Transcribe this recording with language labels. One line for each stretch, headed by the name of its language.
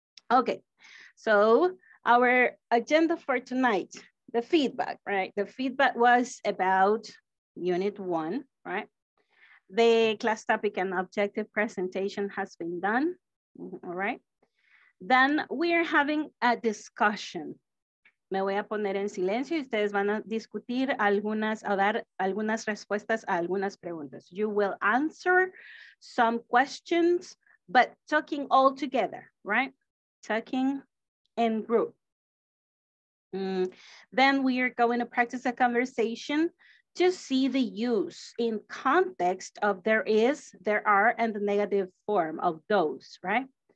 English: Okay, so our agenda for tonight, the feedback, right? The feedback was about unit 1, right? The class topic and objective presentation has been done, all right? Then we are having a discussion.
Spanish: Me voy a poner en silencio y ustedes van a discutir algunas, a dar algunas respuestas a algunas preguntas.
English: You will answer some questions, but talking all together, right? Talking in group. Then we are going to practice a conversation to see the use in context of there is, there are, and the negative form of those, right?